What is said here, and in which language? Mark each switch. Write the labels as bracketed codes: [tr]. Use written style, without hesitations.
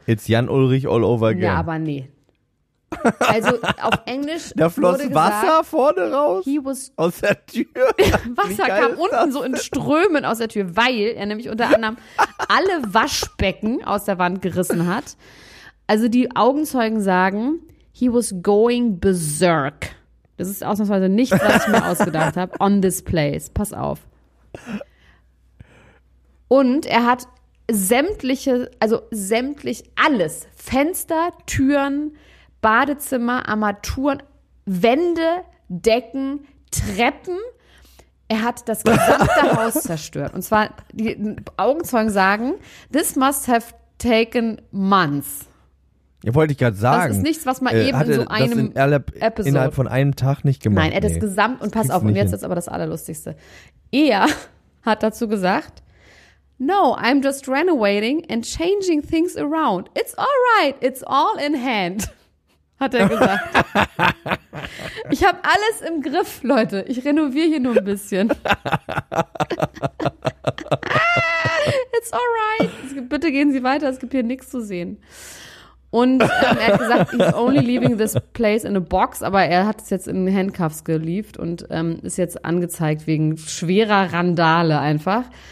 [en] Jetzt Jan Ulrich all over again. [de] Ja, aber nee. Also auf Englisch da floss wurde Wasser gesagt, vorne raus? [en] He was [de] aus der Tür? Wasser kam unten so in Strömen aus der Tür, weil er nämlich unter anderem alle Waschbecken aus der Wand gerissen hat. Also die Augenzeugen sagen, [en] he was going berserk. [de] Das ist ausnahmsweise nichts, was ich mir ausgedacht habe. [en] On this place. [de] Pass auf. Und er hat sämtlich alles, Fenster, Türen, Badezimmer, Armaturen, Wände, Decken, Treppen. Er hat das gesamte Haus zerstört. Und zwar, die Augenzeugen sagen, [en] this must have taken months. [de] Ja, wollte ich gerade sagen. Das ist nichts, was man eben hat in so einem Episode. Innerhalb von einem Tag nicht gemacht. Nein, er hat das gesamt, und pass auf, und jetzt ist aber das Allerlustigste. Er hat dazu gesagt, [en] no, I'm just renovating and changing things around. It's all right, it's all in hand. [de] Hat er gesagt. Ich habe alles im Griff, Leute. Ich renoviere hier nur ein bisschen. [en] It's alright. [de] Bitte gehen Sie weiter, es gibt hier nichts zu sehen. Und er hat gesagt, [en] he's only leaving this place in a box, [de] aber er hat es jetzt in Handcuffs gelieft und ist jetzt angezeigt wegen schwerer Randale einfach.